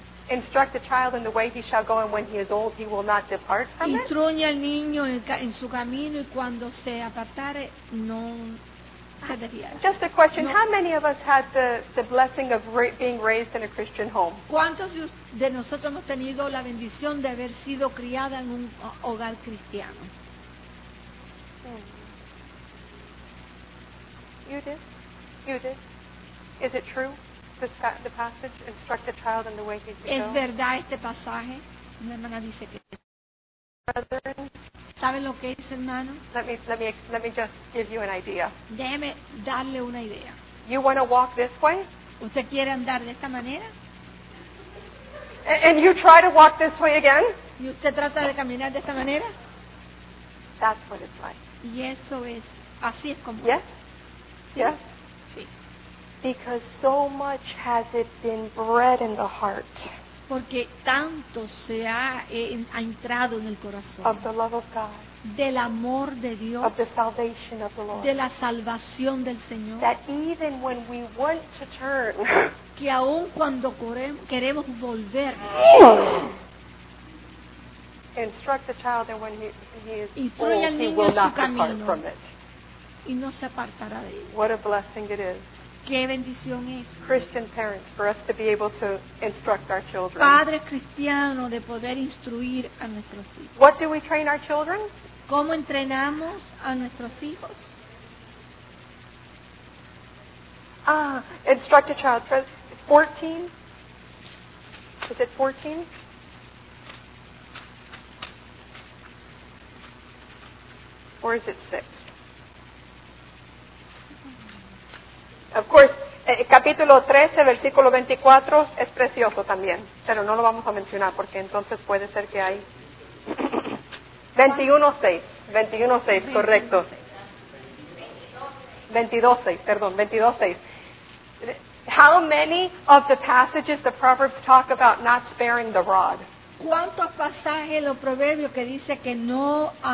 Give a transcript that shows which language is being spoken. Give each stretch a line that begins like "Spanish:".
English: Instruct the child in the way he shall go, and when he is old, he will not depart from it.
Spanish: Instruye al niño en su camino, y cuando se apartare, no se desviará.
English: Just a question: no. How many of us had the blessing of being raised in a Christian home?
Spanish: ¿Cuántos de nosotros hemos tenido la bendición de haber sido criada en un hogar cristiano?
English: You did. Is it true? The passage, instruct the child in the way he should go.
Spanish: ¿Es verdad este pasaje? Mi hermana dice que es.
English: Brethren,
Spanish: ¿saben lo que es, hermano?
English: Let me just give you an idea.
Spanish: Déjeme darle una idea.
English: You want to walk this way?
Spanish: ¿Usted quiere andar de esta manera?
English: And you try to walk this way again?
Spanish: ¿Y usted trata de caminar de esta manera?
English: That's what it's like.
Spanish: Y eso es, así es como.
English: Yes? Yes? Because so much has it been bred in the heart.
Spanish: Porque tanto se ha entrado en el corazón.
English: Of the love of God.
Spanish: Del amor de Dios.
English: Of the salvation of the Lord.
Spanish: De la salvación del Señor.
English: That even when we want to turn.
Spanish: Que aun cuando queremos volver.
English: Instruct the child that when he is old, he will not depart from it.
Spanish: Y no se apartará de él.
English: What a blessing it is.
Spanish: Qué bendición es.
English: Christian parents, for us to be able to instruct our children.
Spanish: Padres cristianos de poder instruir a nuestros hijos.
English: What do we train our children?
Spanish: ¿Cómo entrenamos a nuestros hijos?
English: Instruct a child. 14? Is it 14? Or is it 6?
Spanish: Of course, capítulo 13, versículo 24, es precioso también. Pero no lo vamos a mencionar porque entonces puede ser que hay... 21.6, correcto. 22.6.
English: How many of the passages the Proverbs talk about not sparing the rod?
Spanish: ¿Cuántos pasajes los proverbios que dice que no...